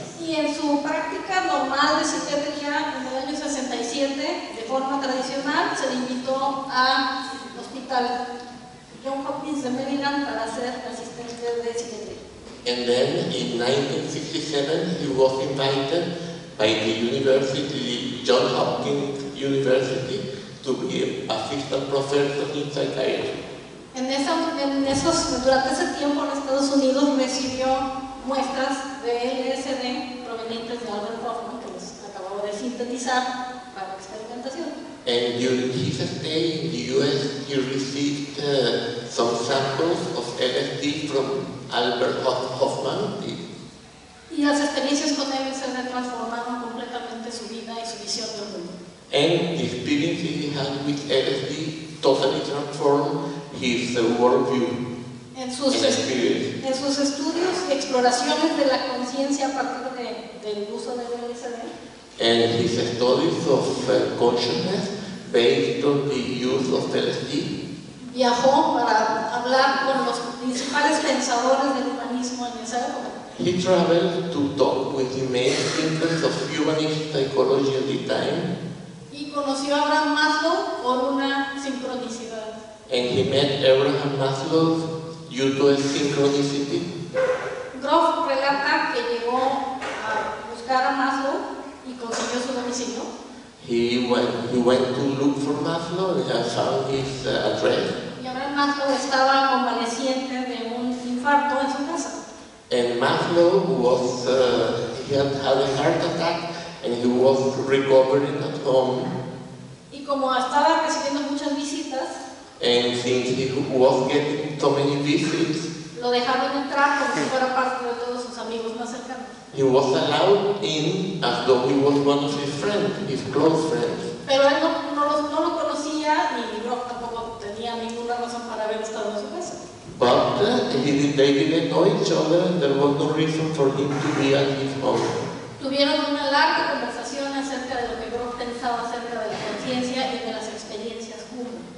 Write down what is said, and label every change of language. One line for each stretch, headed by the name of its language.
Spanish: Y en su práctica normal de psiquiatría en el año 67, de forma tradicional, se limitó a hospital John Hopkins de Maryland para ser asistente de psiquiatría.
English: And then in 1967 he was invited by the University, John Hopkins University, to be an assistant professor in psychiatry.
Spanish: Durante ese tiempo en Estados Unidos recibió muestras de LSD provenientes de Albert Hofmann, que los acababa de sintetizar para experimentación.
English: And during his stay in the US, he received some samples of LSD from Albert Hofmann.
Spanish: Y las experiencias con LSD transformaron completamente su vida y su visión del mundo.
English: And the experience he had with LSD totally transformed his worldview.
Spanish: En sus estudios y exploraciones de la conciencia a partir del uso del LSD.
English: And his studies of consciousness based on the use of LSD.
Spanish: Viajó para hablar con los principales pensadores del humanismo en esa época.
English: He traveled to talk with the main thinkers of humanist psychology at the time.
Spanish: Y conoció a Abraham Maslow por una sincronicidad.
English: And he met Abraham Maslow due to a synchronicity.
Spanish: Groff relata que llegó a buscar a Maslow y consiguió su domicilio.
English: He went to look for Maslow and found his address.
Spanish: Y Abraham Maslow estaba convaleciente de un infarto en su casa.
English: And Maslow had a heart attack and he was recovering at home.
Spanish: Y como estaba recibiendo muchas visitas,
English: and since he was getting so many visits,
Spanish: lo dejaron entrar como si fuera parte de todos sus amigos más cercanos.
English: He was allowed in as though he was one of his friends, his close friends.
Spanish: Pero él no lo conocía y tampoco tenía ninguna razón para haber estado en su casa.
English: But they didn't know each other, and there was no reason for him to be at his home.
Spanish: Tuvieron una larga conversación acerca de lo que Groff pensaba acerca de la conciencia y de las experiencias juntos.